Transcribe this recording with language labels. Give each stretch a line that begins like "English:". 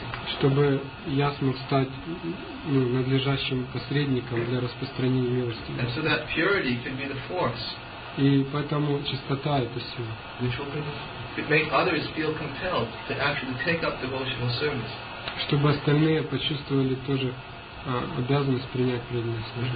Russian: Чтобы я смог стать надлежащим посредником для распространения милости.
English: And so that purity can be the force.
Russian: И поэтому чистота это сила.
English: Which will make others feel compelled to actually take up devotional service.
Russian: Чтобы остальные почувствовали тоже обязанность принять преданное служение.